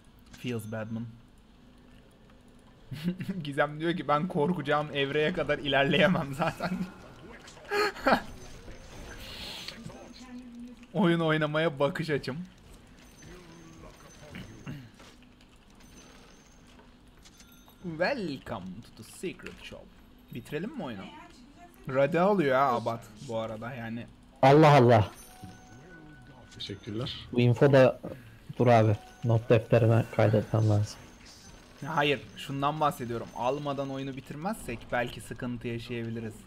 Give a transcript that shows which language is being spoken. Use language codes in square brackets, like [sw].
[en] Feels badman. [tr] Gizem diyor ki ben korkacağım evreye kadar ilerleyemem zaten. Oyun oynamaya bakış açım. [en] Welcome to the secret shop. [tr] Bitirelim mi oyunu? Radio alıyor ha Abad bu arada yani. Allah Allah. Teşekkürler. Bu info da dur abi. Not defterime kaydetmem lazım. Hayır, şundan bahsediyorum. Almadan oyunu bitirmezsek belki sıkıntı yaşayabiliriz.